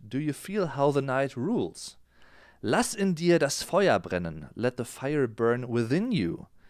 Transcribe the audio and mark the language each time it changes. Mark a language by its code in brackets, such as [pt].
[en] Do you feel how the night rules? [de] Lass in dir das Feuer brennen. [en] Let the fire burn within you.